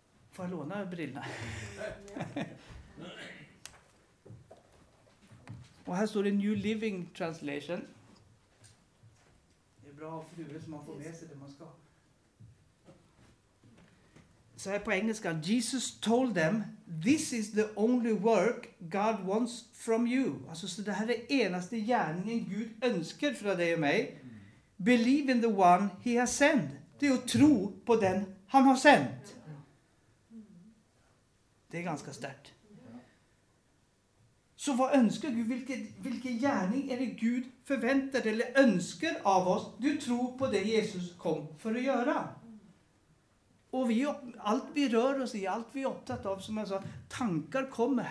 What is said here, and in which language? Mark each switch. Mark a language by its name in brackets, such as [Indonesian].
[Swedish] Får jag låna brillorna? Och här står det New Living Translation. Det är bra för huvudet som man får med sig det man ska. Så här på engelska, [English] Jesus told them, this is the only work God wants from you. [Swedish] Alltså, så det här är enaste gärningen Gud önskar från dig och mig. [English] Believe in the one he has sent. [Swedish] Det är att tro på den han har sent. Det är ganska starkt. Så vad önskar Gud? Vilken gärning är det Gud förväntar eller önskar av oss? Du tror på det Jesus kom för att göra. Och vi, allt vi rör oss i, allt vi är upptatt av, som jag sa, tankar kommer.